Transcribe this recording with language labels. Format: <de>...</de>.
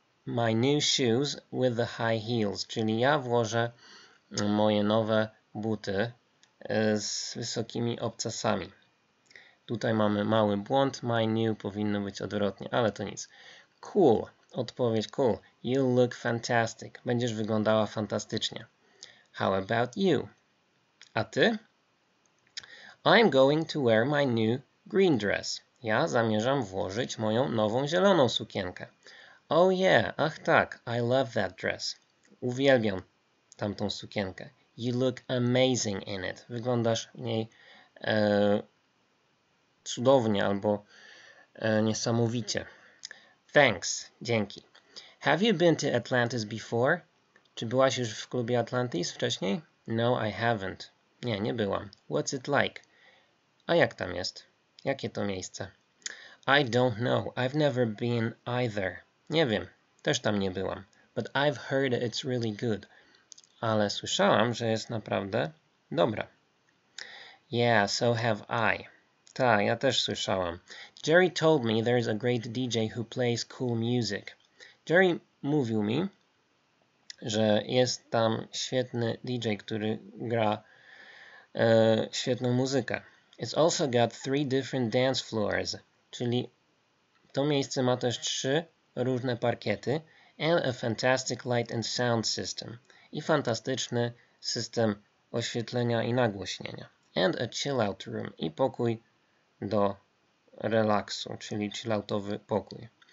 <en>My new shoes with the high heels,</en> <pl>czyli ja włożę moje nowe buty z wysokimi obcasami. Tutaj mamy mały błąd, my new powinno być odwrotnie, ale to nic.</pl> <en>Cool, odpowiedź cool. You look fantastic,</en> <pl>będziesz wyglądała fantastycznie.</pl> <en>How about you?</en> <pl>A ty?</pl> <en>I'm going to wear my new green dress.</en> <pl>Ja zamierzam włożyć moją nową zieloną sukienkę.</pl> <en>Oh yeah,</en> <pl>ach tak,</pl> <en>I love that dress.</en> <pl>Uwielbiam tamtą sukienkę.</pl> <en>You look amazing in it.</en> <pl>Wyglądasz w niej cudownie albo niesamowicie.</pl> <en>Thanks, dzięki. Have you been to Atlantis before?</en> <pl>Czy byłaś już w klubie Atlantis wcześniej?</pl> <en>No, I haven't.</en> <pl>Nie, nie byłam.</pl> <en>What's it like?</en> <pl>A jak tam jest? Jakie to miejsce?</pl> <en>I don't know. I've never been either.</en> <pl>Nie wiem. Też tam nie byłam.</pl> <en>But I've heard it's really good.</en> <pl>Ale słyszałam, że jest naprawdę dobra.</pl> <en>Yeah, so have I.</en> <pl>Tak, ja też słyszałam.</pl> <en>Jerry told me there's a great DJ who plays cool music.</en> <pl>Jerry mówił mi, że jest tam świetny DJ, który gra świetną muzykę.</pl> <en>It's also got three different dance floors.</en> <pl>Czyli to miejsce ma też trzy różne parkiety.</pl> <en>And a fantastic light and sound system.</en> <pl>I fantastyczny system oświetlenia i nagłośnienia.</pl> <en>And a chill out room.</en> <pl>I pokój do relaksu, czyli chill outowy pokój.</pl>